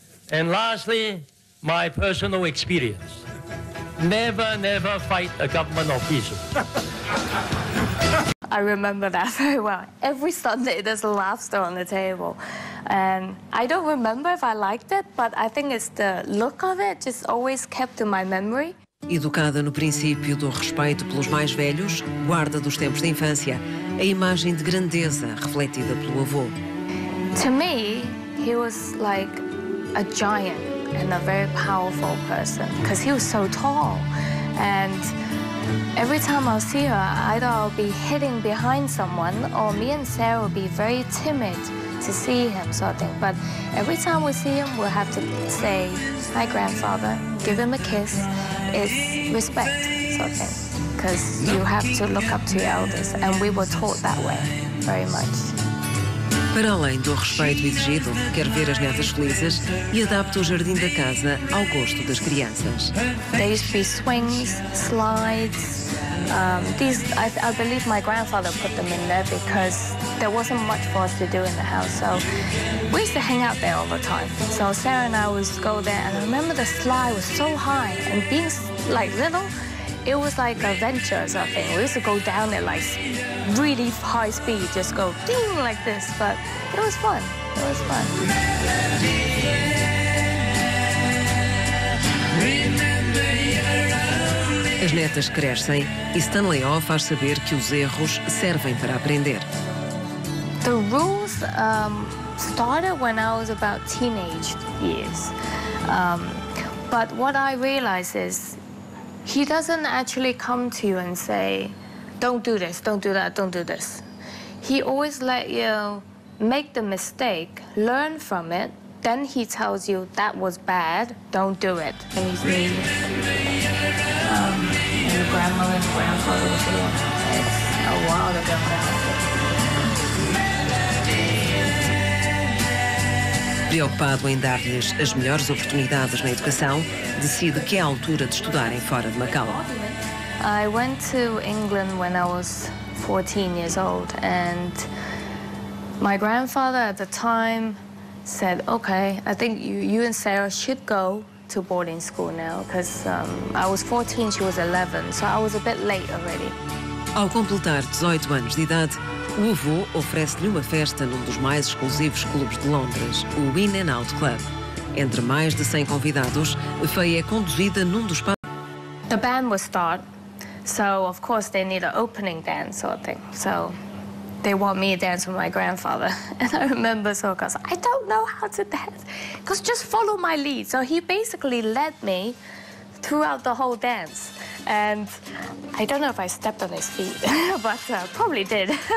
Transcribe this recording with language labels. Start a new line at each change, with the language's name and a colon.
English: And lastly, my personal experience. Never, never fight a government official. I remember that very well. Every Sunday there's a laughter on the table. And I don't remember if I liked it, but I think it's the look of it just always kept in my memory.
Portuguese: Educada no princípio do respeito pelos mais velhos, guarda dos tempos de infância, a imagem de grandeza refletida pelo avô.
English: To me, he was like a giant and a very powerful person, because he was so tall. And every time I'll see her, either I'll be hitting behind someone, or me and Sarah will be very timid to see him, sort of thing. But every time we see him, we'll have to say, hi, grandfather, give him a kiss. It's respect, sort of thing. Because you have to look up to your elders, and we were taught that way, very much.
Portuguese: Para além do respeito exigido, quer ver as netas felizes e adapta o jardim da casa ao gosto das crianças.
English: There used to be swings, slides. I believe my grandfather put them in there because there wasn't much for us to do in the house. So we used to hang out there all the time. So Sarah and I would go there, and I remember the slide was so high, and being like little, it was like a venture or something. We used to go down there like really high speed, just go ding like this, but it was fun. It was fun.
Portuguese: As netas crescem e Stanley O faz saber que os erros servem para aprender.
English: The rules started when I was about teenage years. But what I realized is he doesn't actually come to you and say, don't do this, don't do that, don't do this. He always let you make the mistake, learn from it, then he tells you that was bad, don't do it. And he's mean. Your grandmother and grandfather were here. It's a while ago now.
Portuguese: Preocupado em dar-lhes as melhores oportunidades na educação, decide que é a altura de estudarem fora de Macau.
English: I went to England when I was 14 years old, and my grandfather at the time said, okay, I think you and Sarah should go to boarding school now, because I was 14, she was 11, so I was a bit late already.
Portuguese: Ao completar 18 anos de idade, o avô oferece-lhe uma festa num dos mais exclusivos clubes de Londres, o In and Out Club. Entre mais de 100 convidados, Faye é conduzida num dos palcos.
English: The band will start, so of course they need an opening dance or thing. So they want me to dance with my grandfather. And I remember so, because I don't know how to dance, because just follow my lead. So he basically led me throughout the whole dance. And I don't know if I stepped on his feet, but probably did.